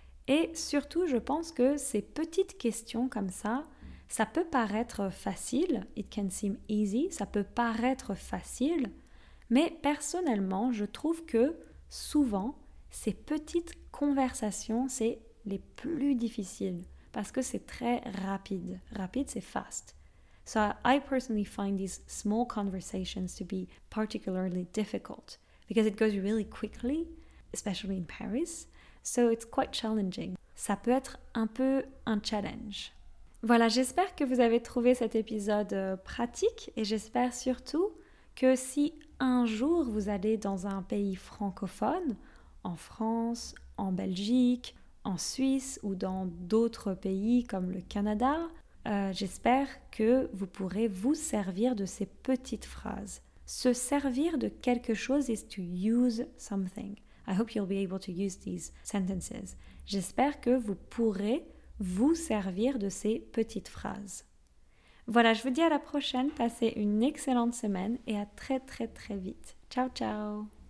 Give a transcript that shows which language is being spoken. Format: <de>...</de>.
<fr>Et surtout, je pense que ces petites questions comme ça, ça peut paraître facile.</fr> <en>It can seem easy.</en> <fr>Ça peut paraître facile. Mais personnellement, je trouve que souvent, ces petites conversations, c'est les plus difficiles. Parce que c'est très rapide. Rapide, c'est</fr> <en>fast. So I personally find these small conversations to be particularly difficult because it goes really quickly, especially in Paris. So it's quite challenging.</en> <fr>Ça peut être un peu un challenge. Voilà, j'espère que vous avez trouvé cet épisode pratique et j'espère surtout que si un jour vous allez dans un pays francophone, en France, en Belgique, en Suisse ou dans d'autres pays comme le Canada, j'espère que vous pourrez vous servir de ces petites phrases. Se servir de quelque chose</fr> <en>is to use something. I hope you'll be able to use these sentences.</en> <fr>J'espère que vous pourrez vous servir de ces petites phrases. Voilà, je vous dis à la prochaine. Passez une excellente semaine et à très très très vite. Ciao ciao!</fr>